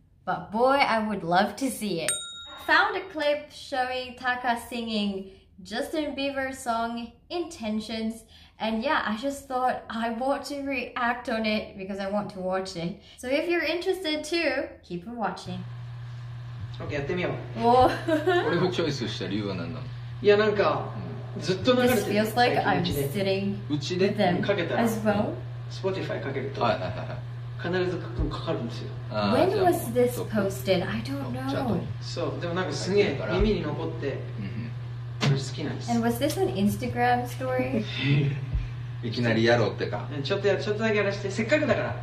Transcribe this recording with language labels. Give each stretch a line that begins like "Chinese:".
English: But boy, I would love to see it. I found a clip showing Taka singing Justin Bieber's song Intentions. And yeah, I just thought I want to react on it because I want to watch it. So if you're interested too, keep on watching.
Japanese: OK, やってみよう。おぉ。これをチョイスした理由は何なの？いや、なんか、ずっと流れてる。
English: This feels like I'm sitting with them as well.
Japanese: かけたら、うん、 Spotify かけると、はいはいはい、必ずかかるんですよ。
English: When was this posted? I don't know.
Japanese: そう、でもなんかすげえ耳に残って、好きなんです。
English: And was this an Instagram story?
Japanese: いきなりやろうってか。ちょっとだけやらせて、せっかくだから。